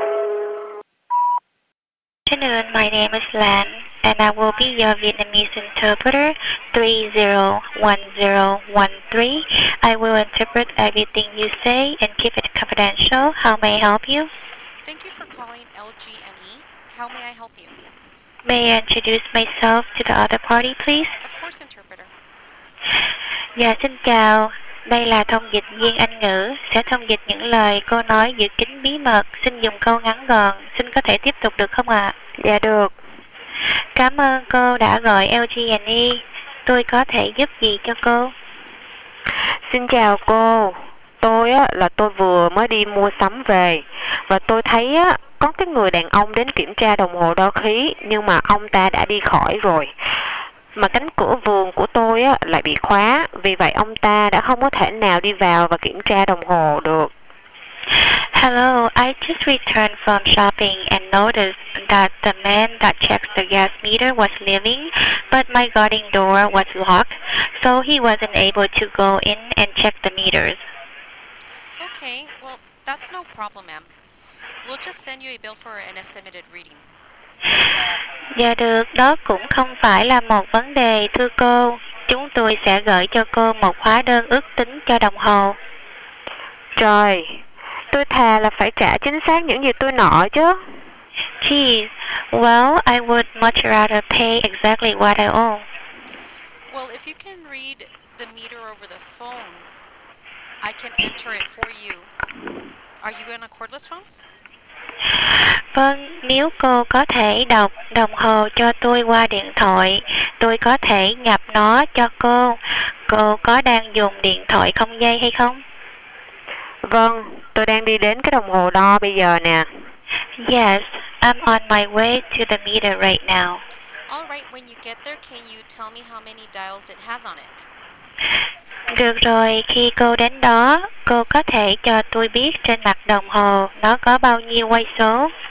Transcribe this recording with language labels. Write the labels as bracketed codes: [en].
[en] Good afternoon, my name is Lan, and I will be your Vietnamese interpreter 301013. I will interpret everything you say and keep it confidential. How may I help you? Thank you for calling LGNE. How may I help you? May I introduce myself to the other party, please? Of course, interpreter. [vi] Dạ, xin chào. Đây là thông dịch viên Anh ngữ, sẽ thông dịch những lời cô nói giữ kín bí mật. Xin dùng câu ngắn gọn, xin có thể tiếp tục được không ạ? Dạ được. Cảm ơn cô đã gọi LGNE. Tôi có thể giúp gì cho cô? Xin chào cô. Tôi là tôi vừa mới đi mua sắm về. Và tôi thấy có cái người đàn ông đến kiểm tra đồng hồ đo khí, nhưng mà ông ta đã đi khỏi rồi. Mà cánh cửa vườn của tôi lại bị khóa, vì vậy ông ta đã không có thể nào đi vào và kiểm tra đồng hồ được. [en] Hello, I just returned from shopping and noticed that the man that checked the gas meter was leaving, but my garden door was locked, so he wasn't able to go in and check the meters. Okay, well, that's no problem, ma'am. We'll just send you a bill for an estimated reading. [vi] Dạ được, đó cũng không phải là một vấn đề, thưa cô. Chúng tôi sẽ gửi cho cô một hóa đơn ước tính cho đồng hồ. Trời, tôi thà là phải trả chính xác những gì tôi nợ chứ. [en] Jeez, well, I would much rather pay exactly what I owe. Well, if you can read the meter over the phone, I can enter it for you. Are you on a cordless phone? [vi] Vâng, nếu cô có thể đọc đồng hồ cho tôi qua điện thoại, tôi có thể nhập nó cho cô. Cô có đang dùng điện thoại không dây hay không? Vâng, tôi đang đi đến cái đồng hồ đo bây giờ nè. [en] Yes, I'm on my way to the meter right now. All right, when you get there, can you tell me how many dials it has on it? [vi] Được rồi, khi cô đến đó, cô có thể cho tôi biết trên mặt đồng hồ nó có bao nhiêu quay số.